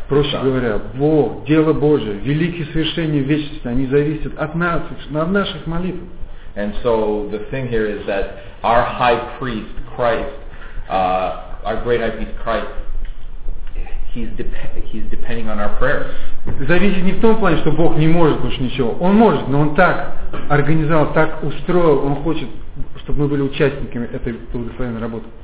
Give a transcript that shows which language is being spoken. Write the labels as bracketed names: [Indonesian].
[Russian] Проще говоря, Бог, дело Божие, великие свершения вечности, они зависят от нас, от наших молитв. [English] And so the thing here is that our high priest Christ, our great high priest Christ, he's depending on our prayers. [Russian] Зависит не в том плане, что Бог не может больше ничего. Он может, но Он так организовал, так устроил, Он хочет, чтобы мы были участниками этой благословенной работы.